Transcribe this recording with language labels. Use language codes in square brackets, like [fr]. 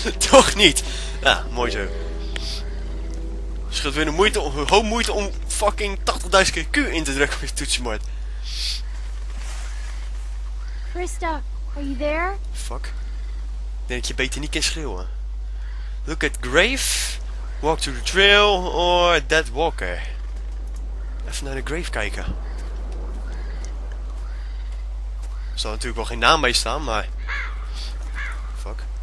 [nl] Toch niet. Ja, mooi zo. Schat weer de moeite om, hoop moeite om fucking 80.000 keer Q in te drukken op je toetsenbord. [en] Krista, are you there? Fuck. [nl] Denk dat je beter niet kan schreeuwen. [en] Look at grave, walk to the trail, or dead walker. [nl] Even naar de grave kijken. Er zal natuurlijk wel geen naam bij staan, maar. Fuck.